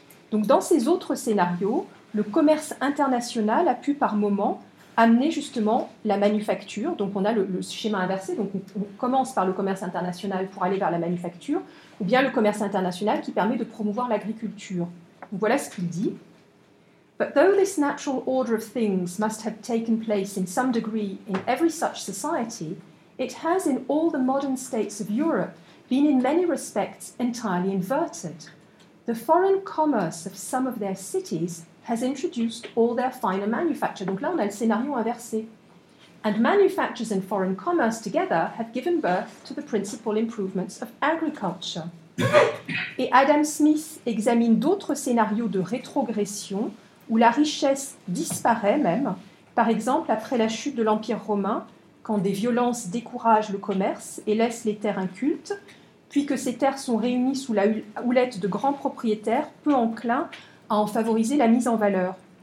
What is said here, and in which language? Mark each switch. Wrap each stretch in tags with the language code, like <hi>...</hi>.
<fr>Donc dans ces autres scénarios, le commerce international a pu par moments amener justement la manufacture, donc on a le schéma inversé, donc on commence par le commerce international pour aller vers la manufacture, ou bien le commerce international qui permet de promouvoir l'agriculture. Donc voilà ce qu'il dit.</fr> <en>But though this natural order of things must have taken place in some degree in every such society, it has in all the modern states of Europe been in many respects entirely inverted. The foreign commerce of some of their cities has introduced all their finer manufacture.</en> <fr>Donc là, on a le scénario inversé.</fr> <en>And manufactures and foreign commerce together have given birth to the principal improvements of agriculture.</en> <fr>Et Adam Smith examine d'autres scénarios de rétrogression où la richesse disparaît même, par exemple après la chute de l'Empire romain, quand des violences découragent le commerce et laissent les terres incultes, puis que ces terres sont réunies sous la houlette de grands propriétaires peu enclins à en favoriser la mise en valeur.</fr>